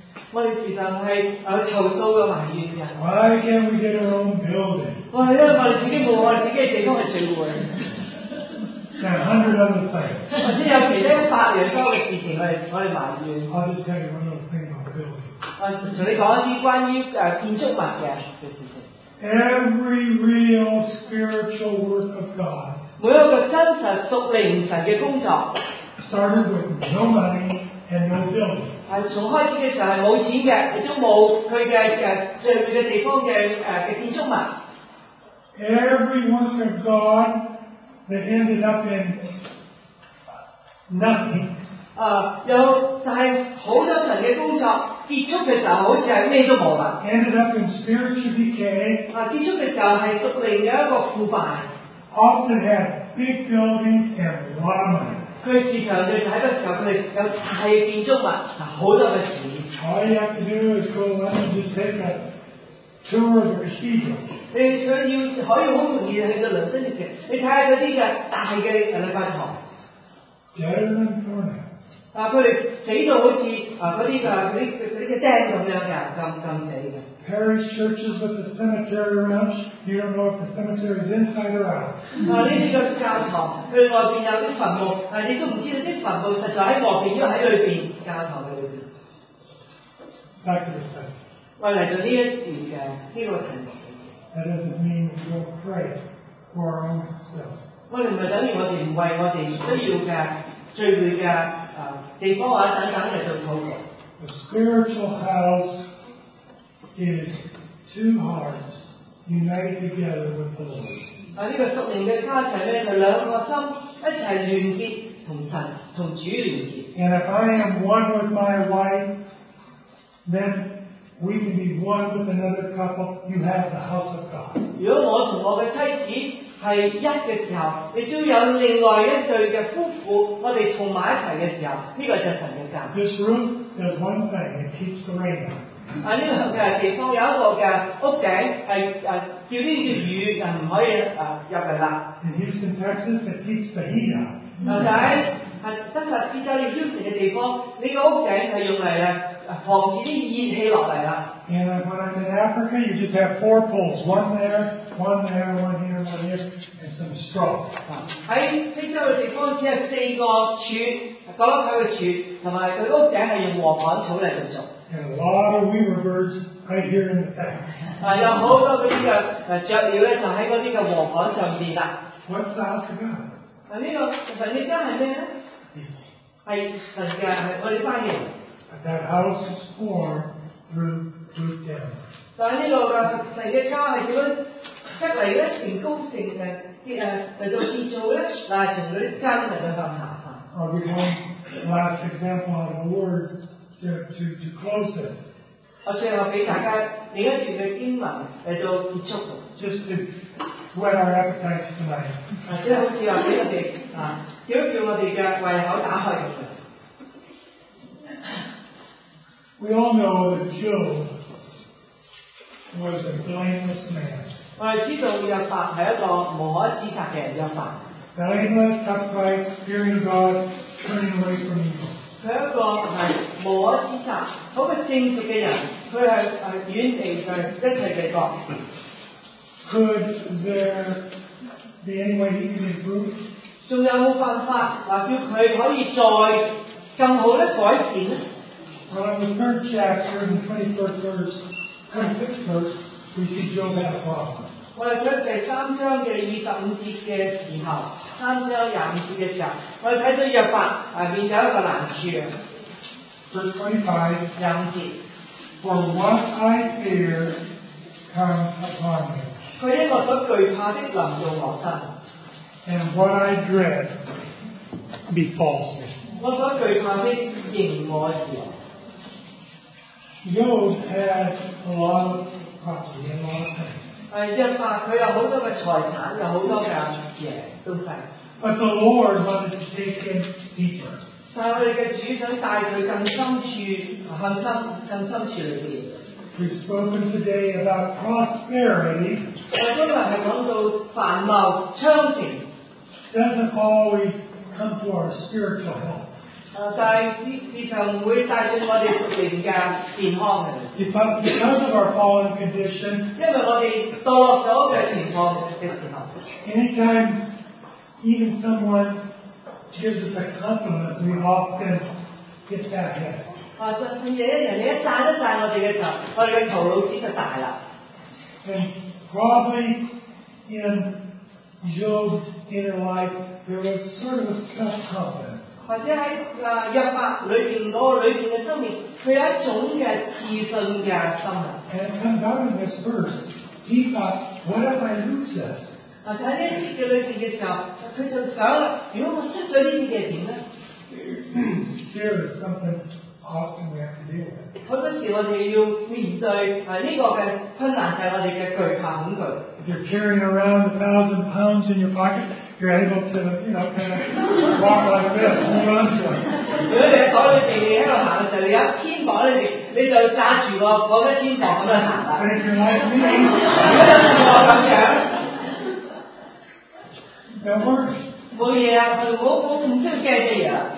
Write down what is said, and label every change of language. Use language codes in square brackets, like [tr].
[yue] 我哋时常系有投诉嘅埋怨嘅。 [en] Why can't we get our own building？ [yue] 哇，因为我哋自己冇我哋自己地方嚟聚会。 [en] There are 100 other things。 [yue] 我知有其他100多嘅事情我哋埋怨。 [en] I'll just tell you one little thing about building。 [yue] 同你讲一啲关于建筑物嘅事情。 [en] Every real spiritual work of God。 [yue] 每一个真实属灵神嘅工作。 [en] Started with no money。 And no building. [yue] 从开始嘅时候系冇钱嘅，亦都冇佢嘅聚会嘅地方嘅建筑物。 [en] Every work of God that ended up in nothing. [yue] 有就系好多神嘅工作结束嘅时候，好似系咩都冇啦。 [en] Ended up in spiritual decay. [yue] 结束嘅时候系属灵嘅一个腐败。 [en] Often had big buildings and a lot of money. [yue] 佢市場對睇嘅時候，佢哋有大嘅建築物，好多嘅錢。 [en] All you have to do is go and just take a tour of the cathedral. [yue] 你想要可以好容易去到倫敦嘅，你睇下嗰啲嘅大嘅禮拜堂。 [en] Dead and burning. [yue] 啊，佢哋死到好似啊嗰啲啊嗰啲嗰啲嘅釘咁樣嘅，咁死嘅。 [en] Parish churches with a cemetery around. You don't know if the cemetery is inside or out. [yue] 啊，呢啲嘅教堂，佢外邊有啲墳墓，啊，你都唔知道啲墳墓實在喺外邊，亦喺裏邊教堂嘅裏邊。 [en] Back to the study. [yue] 我嚟到呢一段嘅呢個題目。 [en] That doesn't mean we don't pray for our own self. [yue] 我哋唔係等於我哋唔為我哋需要嘅聚會嘅啊地方啊等等嚟做禱告。 [en] The spiritual house. Is two hearts united together with the Lord. [yue] 啊，呢个属灵嘅家庭咧，就两个心一齐联结，同神同主联结。 [en] And if I am one with my wife, then we can be one with another couple. You have the house of God. [yue] 如果我同我嘅妻子系一嘅时候，你都有另外一对嘅夫妇，我哋同埋一齐嘅时候，呢个就神嘅家。 [en] This room does one thing. It keeps the rain out. 啊！ [yue] 呢個嘅地方有一個嘅屋頂係誒叫呢啲雨誒唔可以誒入嚟啦。 [en] In Houston, Texas, it keeps the heat out。 [yue] 嗱，就喺啊德薩斯州嘅 Houston 嘅地方，呢個屋頂係用嚟咧防止啲熱氣落嚟啦。 [en] And when I'm in Africa, you just have four poles, one there, one there, one here, one here, and some straw. [yue] 喺非洲嘅地方只有四個柱，各一個柱，同埋佢屋頂係用禾杆草嚟做。 [en] And a lot of weaver birds right here in the back. [yue] 有好多嗰啲嘅雀鳥咧，就喺嗰啲嘅禾杆上邊啦。 [en] What's the house of God? [yue] 啊，呢個神嘅家係咩咧？係神嘅，係我哋翻嚟。 [en] That house is formed through them. [yue] 但係呢個嘅神嘅家係點樣一嚟咧成功成嘅？即係嚟到建造咧，嗱，從嗰啲根嚟到咁下嚇。 [en] I'll give one last example of the word. To close this. [yue] 我最後俾大家另一段嘅經文嚟做結束。 [en] Just to whet our appetites tonight. [yue] 啊，即係好似話俾我哋啊，叫一叫我哋嘅胃口打開咁樣。 [en] We all know that Job was a blameless man. [yue] 我哋知道約伯係一個無可指責嘅約伯。 [en] Blameless, upright, fearing God, turning away from evil. [yue] 佢一個係無可指責、好嘅正直嘅人，佢係遠離佢一切嘅惡。 [en] Could there be any way he can improve？ [yue] 仲有冇辦法話叫佢可以再更好咧改善咧 [en] ？On the third chapter, in the 25th verse, we see Job had a problem。 [yue] 我哋睇第三章嘅25節嘅時候。三章廿五節嘅時候，我哋睇到約伯啊，面對一個難處啊。 [en] 25, [yue] 廿五節。 [en] For what I fear comes upon me。 [yue] 佢因我所懼怕的臨到我身。 [en] And what I dread befalls me。 [yue] 我所懼怕的迎我而來。 [en] Job had a lot of property and a lot of things。 [yue] 約伯佢有好多嘅財產，有好多嘅嘢。 [en] But the Lord wanted to take him deeper. [yue] 但我哋嘅主想帶佢更深處，更深處裏邊。 [en] We've spoken today about prosperity. [yue] 我今日係講到繁茂昌盛。 [en] Doesn't always come to our spiritual health. [yue] 但係呢事情唔會帶進我哋屬靈嘅健康嘅。 [en] Because of our fallen condition. [yue] 因為我哋墮落咗嘅情況嘅時候。 [en] Anytime. Even someone gives us a compliment, we often get that head. [yue] 啊，就算有一人你一讚一讚我哋嘅時候，我哋嘅頭腦先就大啦。 [en] And probably in Job's inner life, there was sort of a self-confidence. [yue] 或者喺啊約伯裏邊嗰個裏邊嘅生命，佢有一種嘅自信嘅心啊。 [en] And comes out in this verse, he thought, "What if I lose this?" [yue] 啊，就喺呢一節嘅裏邊嘅時候。佢就想，如果我失咗呢啲嘅點咧？ [en] There is something often we have to deal with。 [yue] 好多時我哋要面對啊呢個嘅困難就係我哋嘅懼怕恐懼。 [en] If you're carrying around 1,000 pounds in your pocket, you're able to, you know, kind of walk like this, hold on to it。 [yue] 如果你喺房裏邊，你喺度行嘅時候，你有肩膀裏邊。你就揸住個嗰個肩膀咁樣行啦。你唔係咩？如果我咁樣。 [en] That works. [yue] 冇嘢啊！我唔需要驚嘅嘢。